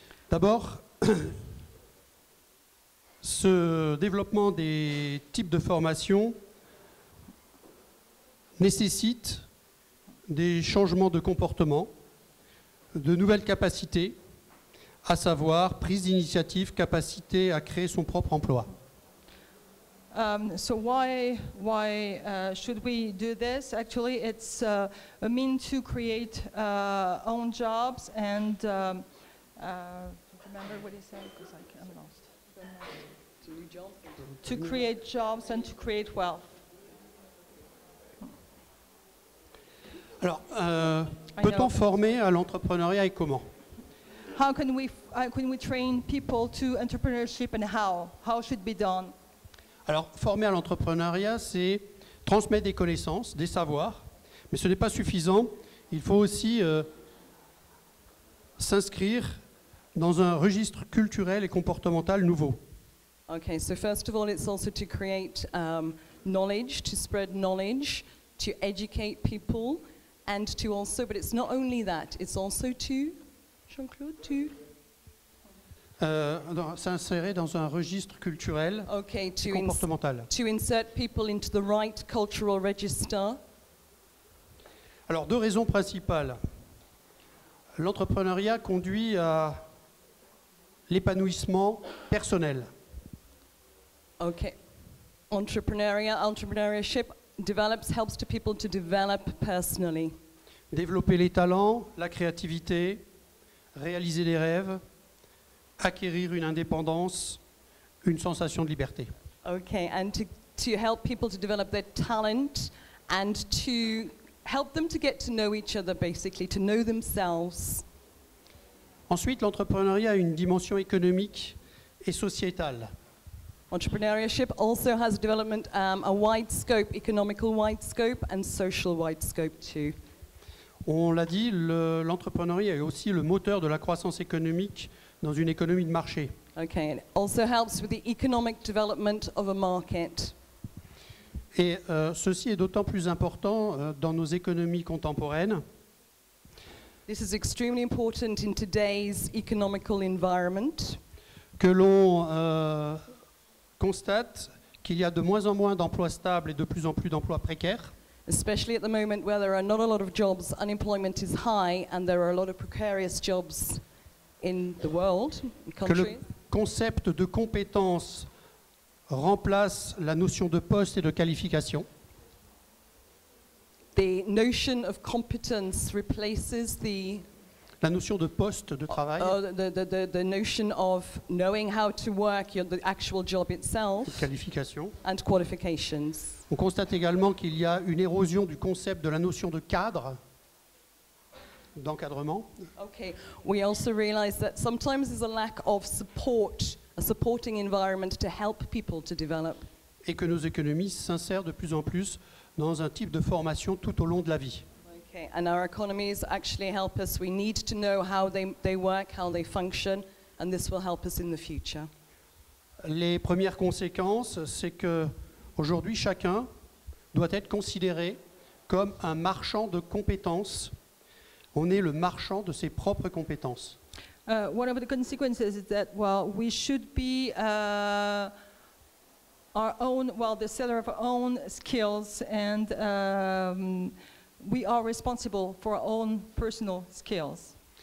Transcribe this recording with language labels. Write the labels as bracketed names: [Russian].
[French] D'abord, ce développement des types de formation nécessite des changements de comportement, de nouvelles capacités, à savoir prise d'initiative, capacité à créer son propre emploi. [English] So why should we do this? Actually, it's a mean to create own jobs and remember what he said, because I'm lost. To create jobs and to create wealth. [French] Alors, peut-on former à l'entrepreneuriat et comment? [English] How can we train people to entrepreneurship and how? How should be done? [French] Alors, former à l'entrepreneuriat, c'est transmettre des connaissances, des savoirs, mais ce n'est pas suffisant. Il faut aussi s'inscrire dans un registre culturel et comportemental nouveau. [English] Okay, so first of all, it's also to create knowledge, to spread knowledge, to educate people. And to also, but it's not only that, it's also to, Jean-Claude, to? [French] S'insérer dans un registre culturel, [English] okay, [French] et comportemental. [English] To insert people into the right cultural register. [French] Alors, deux raisons principales. L'entrepreneuriat conduit à l'épanouissement personnel. [English] Okay. Entrepreneurship develops, helps to people to develop personally. [French] Développer les talents, la créativité, réaliser des rêves, acquérir une indépendance, une sensation de liberté. [English] Okay, and to help people to develop their talent and to help them to get to know each other, basically, to know themselves. [French] Ensuite, l'entrepreneuriat a une dimension économique et sociétale. [English] Entrepreneurship also has development, a wide scope, economical wide scope and social wide scope too. [French] On l'a dit, l'entrepreneuriat est aussi le moteur de la croissance économique dans une économie de marché. [English] Okay, it also helps with the economic development of a market. [French] Et ceci est d'autant plus important dans nos économies contemporaines. [English] This is extremely important in today's economical environment. [French] Que l'on constate qu'il y a de moins en moins d'emplois stables et de plus en plus d'emplois précaires. [English] Especially at the moment where there are not a lot of jobs, unemployment is high, and there are a lot of precarious jobs in the world, in countries. [French] Que le concept de compétence remplace la notion de poste et de qualification. [English] The notion of competence replaces the... [French] La notion de poste de travail. [English] The notion of knowing how to work, the actual job itself. [French] Qualification. [English] And qualifications. [French] On constate également qu'il y a une érosion du concept de la notion de cadre, d'encadrement. [English] Okay. We also realize that sometimes there's a lack of support, a supporting environment to help people to develop. [French] Et que nos économies s'insèrent de plus en plus dans un type de formation tout au long de la vie. [English] Okay. And our economies actually help us. We need to know how they work, how they function, and this will help us in the future. [French] Les premières conséquences, c'est que aujourd'hui, chacun doit être considéré comme un marchand de compétences On est le marchand de ses propres compétences. [English] One of the consequences is that, well, we should be our own, well, the seller of our own skills, and we are responsible for our own personal skills.